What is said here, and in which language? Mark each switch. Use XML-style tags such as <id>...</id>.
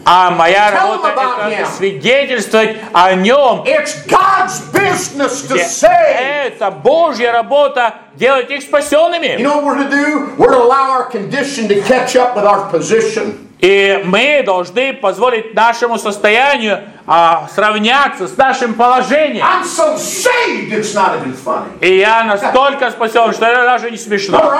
<ru>А моя работа это свидетельствовать о нем.</ru> <en>It's God's business to save.</en> <ru>Это Божья работа делать их спасенными.</ru> <en>You know what we're to do? We're to allow our condition to catch up with our position.</en> <ru>И мы должны позволить нашему состоянию сравняться с нашим положением.</ru> <en>I'm so saved, it's not even funny.</en> <ru>И я настолько спасен, что это даже не смешно.</ru>